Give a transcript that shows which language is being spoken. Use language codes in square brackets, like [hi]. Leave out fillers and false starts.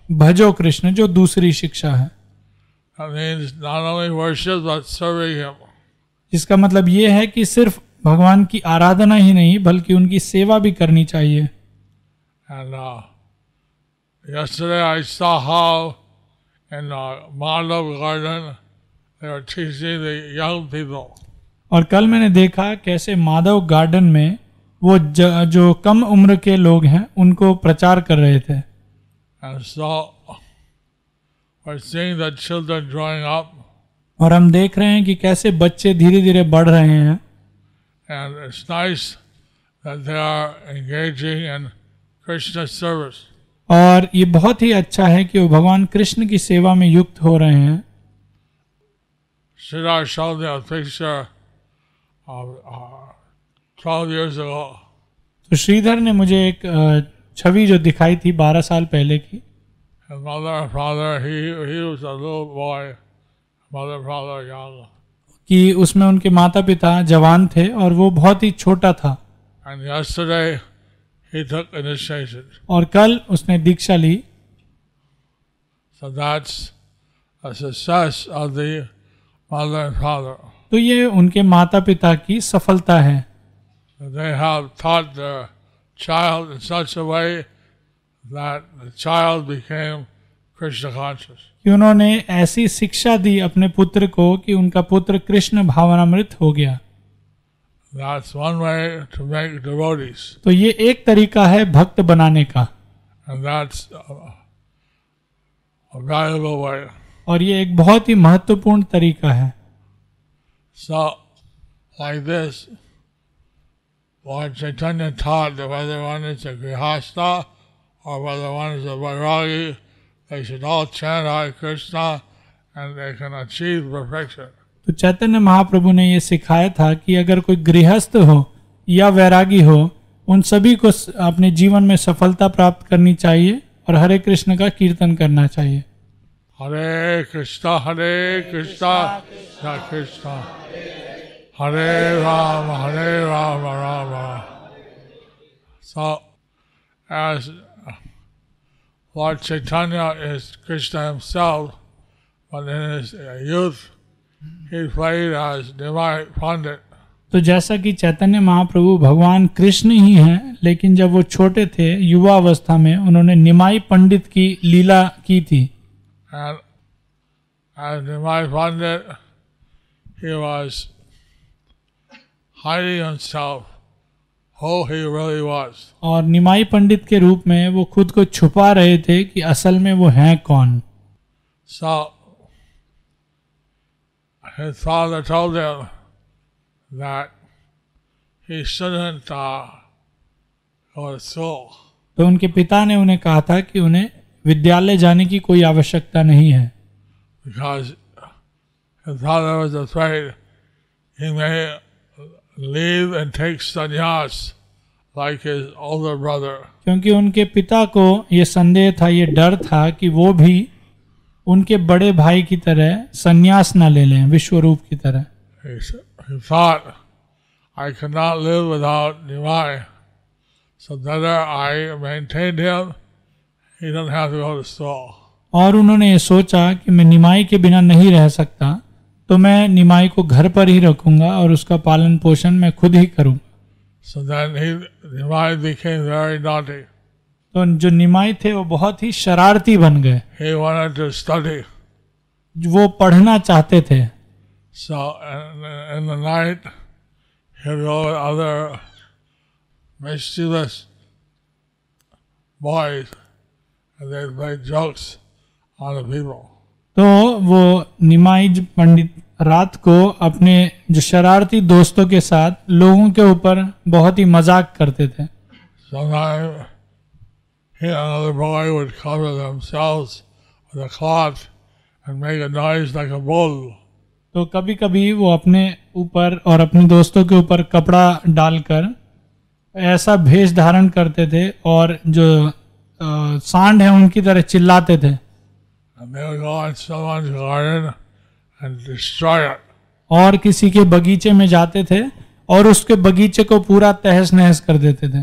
[hi] भजो कृष्ण जो दूसरी शिक्षा है. [en] That means not only worship, but serving him. [hi] इसका मतलब ये है कि सिर्फ भगवान की आराधना ही नहीं बल्कि उनकी सेवा भी करनी चाहिए. [en] And, yesterday I saw how in a Madhav garden they were teaching the young people. [hi] और कल मैंने देखा कैसे माधव गार्डन में वो जो कम उम्र के लोग हैं उनको प्रचार कर रहे थे. [en] And so, we're seeing the children growing up. [hi] और हम देख रहे हैं कि कैसे बच्चे धीरे धीरे बढ़ रहे हैं. [en] And it's nice that they are engaging in Krishna service. [hi] और ये बहुत ही अच्छा है कि वो भगवान कृष्ण की सेवा में युक्त हो रहे हैं. [en] Should I show the picture of 12 years ago? [hi] तो श्रीधर ने मुझे एक छवि जो दिखाई थी 12 साल पहले की. [en] His mother and father, he was a little boy. Mother and father young. [hi] कि उसमें उनके माता पिता जवान थे और वो बहुत ही छोटा था. [en] And yesterday he took initiation. [hi] और कल उसने दीक्षा ली. [en] So that's a success of the mother and father. [hi] तो ये उनके माता पिता की सफलता है. [en] They have taught their child in such a way that the child became Krishna conscious. [hi] कि उन्होंने ऐसी शिक्षा दी अपने पुत्र को कि उनका पुत्र कृष्ण भावनामृत हो गया. [en] That's one way to make devotees. [hi] तो ये एक तरीका है भक्त बनाने का. [en] And that's a valuable way. [hi] और ये एक बहुत ही महत्वपूर्ण तरीका है. [en] So, like this, Lord Chaitanya taught that whether one is a grihastha or whether one is a vairagi, they should all chant Hare Krishna and they can achieve perfection. [hi] तो चैतन्य महाप्रभु ने ये सिखाया था कि अगर कोई गृहस्थ हो या वैरागी हो, उन सभी को अपने जीवन में सफलता प्राप्त करनी चाहिए और हरे कृष्ण का कीर्तन करना चाहिए. [sa] हरे कृष्णा कृष्णा कृष्णा हरे Ram Ram Ram. [en] So, as Lord Chaitanya is Krishna himself, but in his youth, he played as divine pundit. [hi] तो जैसा कि चैतन्य महाप्रभु भगवान कृष्ण ही हैं, लेकिन जब वो छोटे थे युवा अवस्था में उन्होंने निमाई पंडित की लीला की थी. [en] And as Nimai Pandit, he was hiding himself who he really was. [hi] और निमाई पंडित के रूप में वो खुद को छुपा रहे थे कि असल में वो हैं कौन. [en] So, his father told him that he shouldn't go to school. [hi] तो उनके पिता ने उन्हें कहा था कि उन्हें विद्यालय जाने की कोई आवश्यकता नहीं है. [en] Because his father was afraid he may leave and take sannyas like his older brother. [hi] क्योंकि उनके पिता को ये संदेह था, ये डर था कि वो भी उनके बड़े भाई की तरह सन्यास ना ले लें विश्वरूप की तरह. [en] He thought, I cannot live without Nimai. So better I maintain him. He doesn't have to go to school. [hi] और उन्होंने ये सोचा कि मैं निमाई के बिना नहीं रह सकता, तो मैं निमाई को घर पर ही रखूंगा और उसका पालन पोषण मैं खुद ही करूंगा. [en] So then Nimai became very naughty. [hi] तो जो निमाई थे वो बहुत ही शरारती बन गए. [en] He wanted to study. [hi] वो पढ़ना चाहते थे. [en] So in the night, he would go with other mischievous boys and they'd play jokes on the people. [hi] तो वो निमाई पंडित रात को अपने जो शरारती दोस्तों के साथ लोगों के ऊपर बहुत ही मजाक करते थे. [en] Sometimes he and another boy would cover themselves with a cloth and make a noise like a bull. [hi] तो कभी कभी वो अपने ऊपर और अपने दोस्तों के ऊपर कपड़ा डालकर ऐसा भेष धारण करते थे और जो सांड है उनकी तरह चिल्लाते थे. [en] And they would go on someone's garden and destroy it. [hi] और किसी के बगीचे में जाते थे और उसके बगीचे को पूरा तहस नहस कर देते थे.